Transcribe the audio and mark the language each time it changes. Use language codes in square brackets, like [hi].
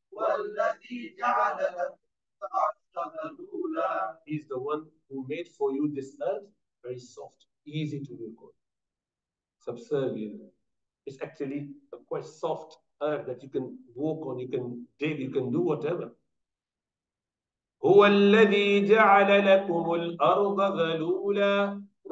[ar] هو الذي جعل لكم الأرض ذلولا [en] He's the one who made for you this earth very soft, easy to work on. Subservient. It's actually a quite soft earth that you can walk on, you can dig, you can do whatever. [ar] هو الذي جعل لكم الأرض ذلولا